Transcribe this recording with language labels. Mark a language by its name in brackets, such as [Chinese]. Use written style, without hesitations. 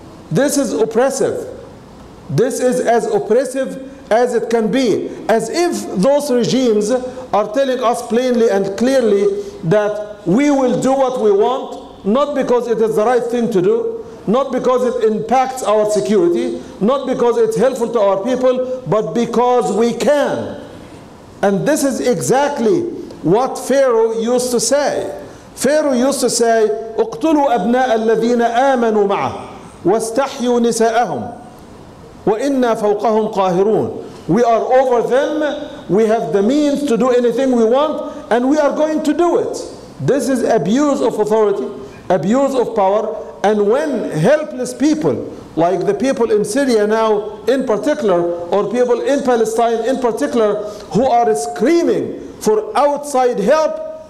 [English] This is oppressive. This is as oppressive as it can be, as if those regimes are telling us plainly and clearly that we will do what we want, not because it is the right thing to do, not because it impacts our security, not because it's helpful to our people, but because we can. And this is exactly what Pharaoh used to say. Pharaoh used to say, [Arabic] اقتلوا أبناء الذين آمنوا معه واستحيوا نساءهم وإنا فوقهم قاهرون. [English] We are over them, we have the means to do anything we want, and we are going to do it. This is abuse of authority, abuse of power, and when helpless people, like the people in Syria now in particular, or people in Palestine in particular, who are screaming for outside help,